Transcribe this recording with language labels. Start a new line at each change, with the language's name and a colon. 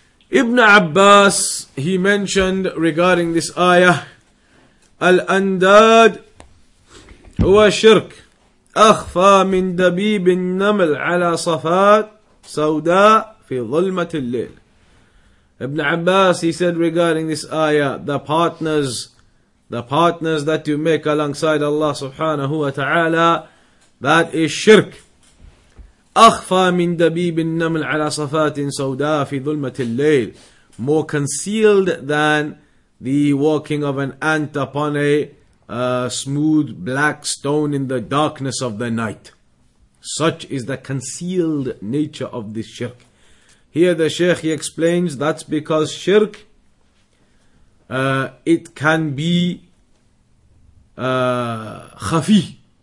English: Ibn Abbas, he mentioned regarding this ayah,
Arabic: Al-Andad huwa shirk أخفى من دبيب النمل على صفات سوداء في ظلمة الليل.
English: Ibn Abbas, he said regarding this ayah, the partners that you make alongside Allah subhanahu wa ta'ala, that is shirk.
Arabic: أخفى من دبيب النمل على صفات سوداء في ظلمة الليل.
English: More concealed than the walking of an ant upon a smooth black stone in the darkness of the night. Such is the concealed nature of this shirk. Here the Shaykh, he explains, that's because shirk, it can be khafi.